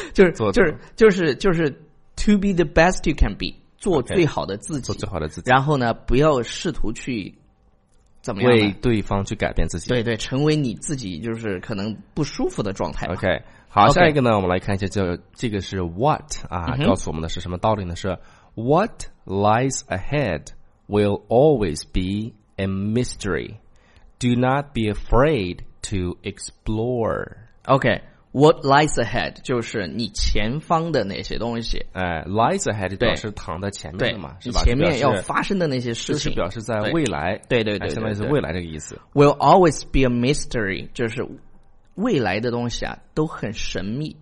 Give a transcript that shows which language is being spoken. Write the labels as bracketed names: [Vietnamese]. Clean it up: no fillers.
[Chinese] 就是 [English] to be the best you can be， [Chinese] 做最好的自己， okay, 做最好的自己。然后呢，不要试图去怎么样为对方去改变自己。对对，成为你自己，就是可能不舒服的状态。 OK， 好， [English] okay. [Chinese] 下一个呢，我们来看一下，这个是 what 啊，告诉我们的是什么道理呢？ [English] 是 what lies ahead will always be a mystery. Do not be afraid.To explore. Okay, What lies ahead [Chinese] 就是你前方的那些东西。哎 ， [English] lies ahead [Chinese] 表示躺在前面的嘛，是吧？前面要发生的那些事情，是表示在未来。对对 对, 对，相当于是未来这个意思。 [English] Will always be a mystery， [Chinese] 就是未来的东西啊，都很神秘。